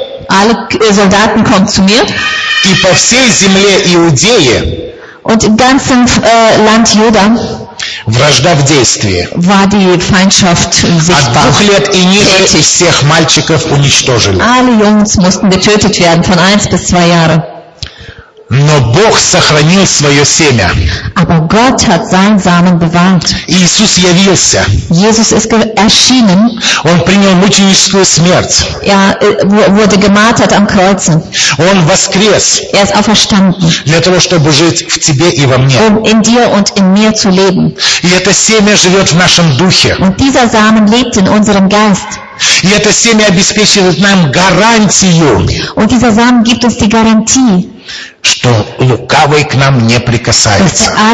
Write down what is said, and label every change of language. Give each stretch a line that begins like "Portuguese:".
German: Alle Soldaten kommen zu mir.
Russian: И по всей земле Иудеи.
German: Und im ganzen Land Juda
Russian: вражда в действии.
German: War die Feindschaft sichtbar.
Russian: От 2 лет и ниже
German: tätig.
Russian: Всех мальчиков уничтожили.
German: Alle Jungs mussten getötet werden von 1 bis 2 Jahre.
Russian: Но Бог сохранил свое семя.
German: Aber Gott hat sein Samen bewahrt.
Russian: Иисус явился.
German: Jesus ist erschienen.
Russian: Он принял мученическую смерть.
German: Wurde gemartert am Kreuz.
Russian: Он воскрес.
German: Er ist auferstanden.
Russian: Для того, чтобы жить в тебе и во мне.
German: Um in dir und in mir zu leben.
Russian: И это семя живет в нашем духе.
German: Und dieser Samen lebt in unserem Geist.
Russian: И это семя обеспечивает нам гарантию.
German: Und dieser Samen gibt uns die Garantie.
Russian: Что лукавый к нам не прикасается.